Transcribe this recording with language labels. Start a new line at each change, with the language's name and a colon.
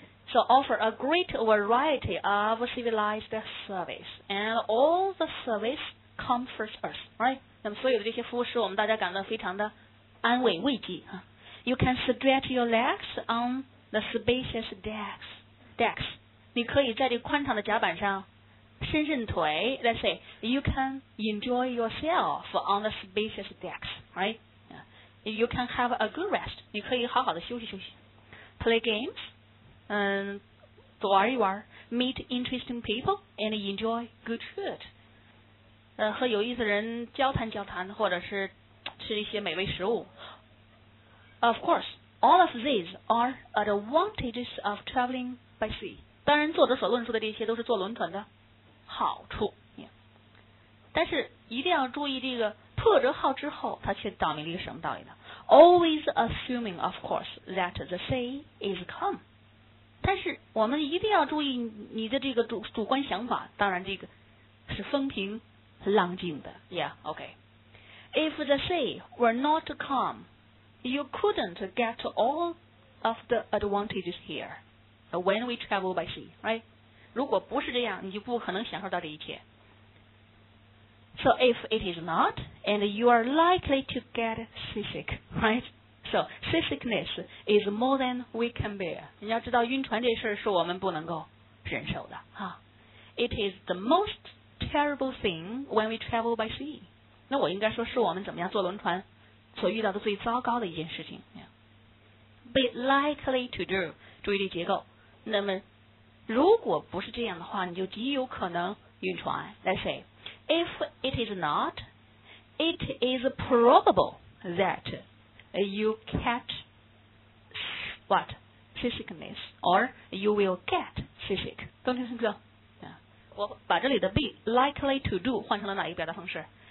English: So offer a great variety of civilized service, and all the service comforts us, right?
Chinese: 那么所有的这些服务使我们大家感到非常的安慰慰藉。
English: You can stretch your legs on the spacious decks.
Chinese: 你可以在这宽敞的甲板上伸伸腿。
English: Let's say you can enjoy yourself on the spacious decks, right? You can have a good rest.
Chinese: 你可以好好的休息休息。
English: Play games.
Chinese: 走玩一玩
English: ，meet interesting people and enjoy good food。
Chinese: 和有意思的人交谈交谈，或者是吃一些美味食物。
English: Of course, all of these are advantages of traveling by sea。
Chinese: 当然，作者所论述的这些都是坐轮船的好处。但是一定要注意这个破折号之后，它却道明了一个什么道理呢 ？
English: Always assuming, of course, that the sea is calm。
Chinese: 但是我们一定要注意你的这个主观想法，当然这个是风平浪静的 ，
English: Yeah, OK. If the sea were not calm, you couldn't get all of the advantages here when we travel by sea, right?
Chinese: 如果不是这样，你就不可能享受到这一切。
English: So if it is not, and you are likely to get seasick, right? So seasickness is more than we can bear.
Chinese: 你要知道晕船这事是我们不能够忍受的。
English: It is the most terrible thing when we travel by sea.
Chinese: 那我应该说是我们怎么样做轮船所遇到的最糟糕的一件事情。
English: Be likely to do，
Chinese: 注意力结构。那么如果不是这样的话，你就极有可能晕船。
English: Let's say if it is not， it is probable that you catch what seasickness or you will get seasick。
Chinese: 懂听清楚？我把这里的
English: be likely to do
Chinese: 换成了哪一个表达方式？